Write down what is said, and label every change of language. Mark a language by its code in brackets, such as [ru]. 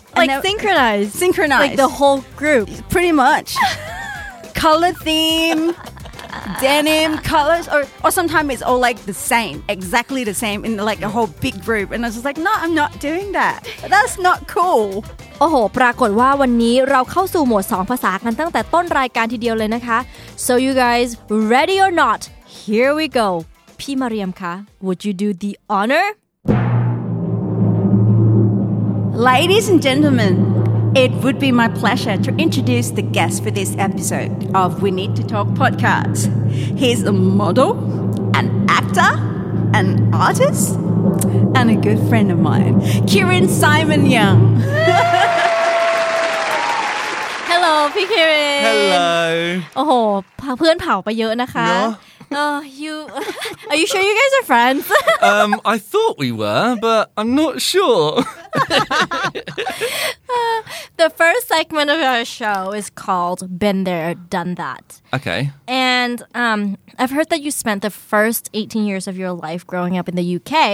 [en] like synchronized. Synchronized. Like the whole group. Pretty much. Color theme. Denim colors or sometimes it's all like the same exactly the same in like a whole big group and I was just like no I'm not doing that that's not cool [th] โอ้โหปรากฏว่าวันนี้เราเข้าสู่หมวด2ภาษากันตั้งแต่ต้นรายการทีเดียวเลยนะคะ [en] so you guys ready or not here we go [th] พี่มาเรียมคะ [en] would you do the honor ladies and gentlemenIt would be my pleasure to introduce the guest for this episode of We Need to Talk Podcast. He's a model, an actor, an artist, and a good friend of mine, Kieran Simon Young. Hello, พี่ Kieran. Hello. [th] โอ้โหเพื่อนเผาไปเยอะนะคะ [en] Are you sure you guys are friends? I thought we were, but I'm not sure. The first segment of our show is called Been There, Done That. Okay. And I've heard that you spent the first 18 years of your life growing up in the UK,